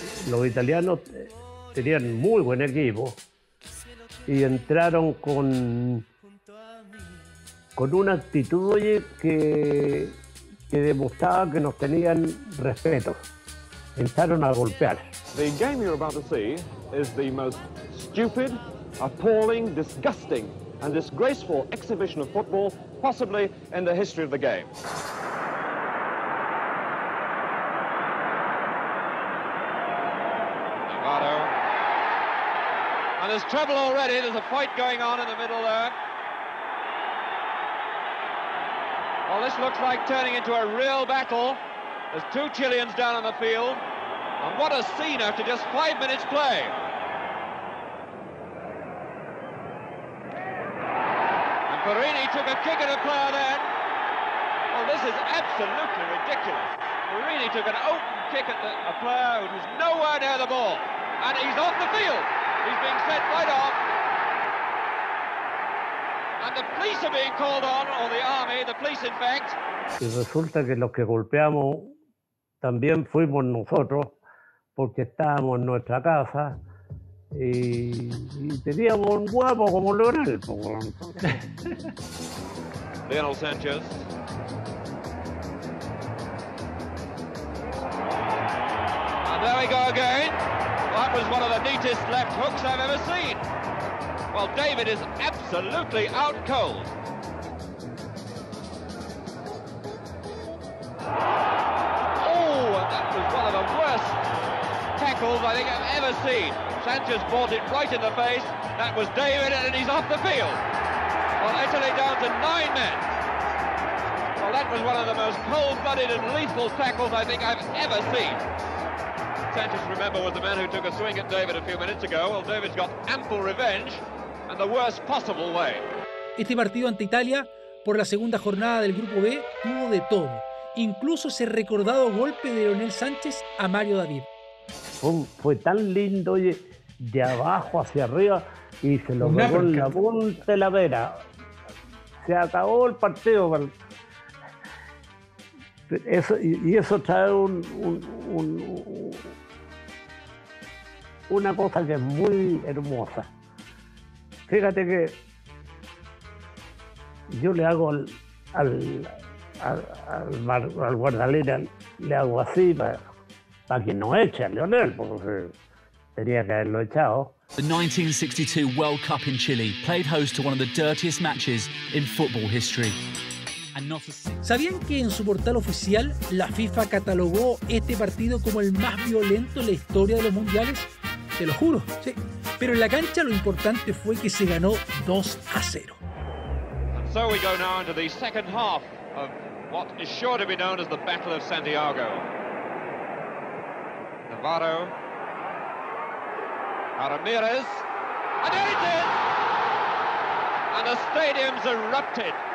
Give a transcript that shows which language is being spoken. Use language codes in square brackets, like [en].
[es] Los italianos tenían muy buen equipo y entraron con una actitud, oye, que demostraba que nos tenían respeto. Entraron a golpear. [en] The game you're about to see is the most stupid, appalling, disgusting and disgraceful exhibition of football possibly in the history of the game. Navarro. And there's trouble already. There's a fight going on in the middle there. Well, this looks like turning into a real battle. There's 2 Chileans down on the field. And what a scene after just 5 minutes play. And Perini took a kick at a player then. Well, this is absolutely ridiculous. Perini took an open kick at a player who was nowhere near the ball. And he's off the field. He's being sent right off. And the police are being called on, or the army, the police in fact. [es] Y resulta que los que golpeamos también fuimos nosotros, porque estábamos en nuestra casa y teníamos un guapo como Leonel. Leonel Sánchez. [en] And there we go again. That was one of the neatest left hooks I've ever seen. Well, David is absolutely out cold. Oh, and that was one of the worst tackles I think I've ever seen. Sanchez brought it right in the face. That was David, and he's off the field. Well, Italy down to 9 men. Well, that was one of the most cold-blooded and lethal tackles I think I've ever seen. Sanchez, remember, was the man who took a swing at David a few minutes ago. Well, David's got ample revenge. The worst possible way. [es] Este partido ante Italia, por la segunda jornada del Grupo B, tuvo de todo. Incluso ese recordado golpe de Leonel Sánchez a Mario David. Fue tan lindo, oye, de abajo hacia arriba, y se lo pegó en la punta de la vera. Se acabó el partido. Eso trae una cosa que es muy hermosa. Fíjate que yo le hago al, al, al guardalera le hago así para que no eche a Lionel, porque tenía que haberlo echado. [en] The 1962 World Cup in Chile played host to one of the dirtiest matches in football history. [es] ¿Sabían que en su portal oficial la FIFA catalogó este partido como el más violento en la historia de los mundiales? Te lo juro, sí. Pero en la cancha lo importante fue que se ganó 2-0. [en] And so we go now into the second half of what is sure to be known as the Battle of Santiago. Navarro. Ramirez. And there it is! And the stadium's erupted.